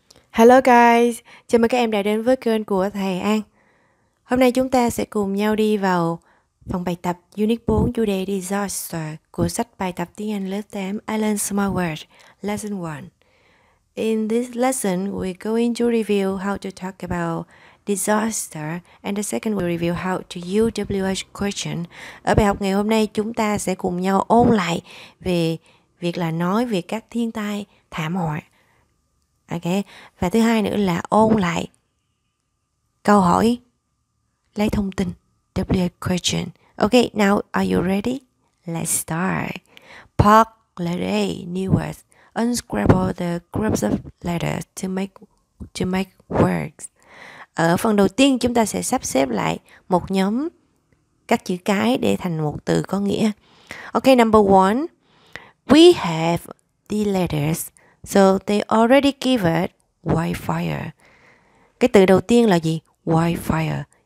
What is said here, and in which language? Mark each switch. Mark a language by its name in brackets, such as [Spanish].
[English] Hello guys, [Vietnamese] chào mừng các em đã đến với kênh của thầy An. Hôm nay chúng ta sẽ cùng nhau đi vào phần bài tập Unit 4 chủ đề Disaster của sách bài tập tiếng Anh lớp 8 I Learn Small Words, Lesson 1. [English] In this lesson, we're going to review how to talk about disaster and the second we'll review how to use WH question. [Vietnamese] Ở bài học ngày hôm nay, chúng ta sẽ cùng nhau ôn lại về việc là nói về các thiên tai thảm họa. Ok, và thứ hai nữa là ôn lại câu hỏi lấy thông tin W question. [English] Ok, now are you ready? Let's start. Park letter new words. Unscramble the groups of letters to make words. [Vietnamese] Ở phần đầu tiên chúng ta sẽ sắp xếp lại một nhóm các chữ cái để thành một từ có nghĩa. [English] Ok, number one. We have the letters. So they already give it wildfire. [Vietnamese] Cái từ đầu tiên là gì? [English] Wildfire.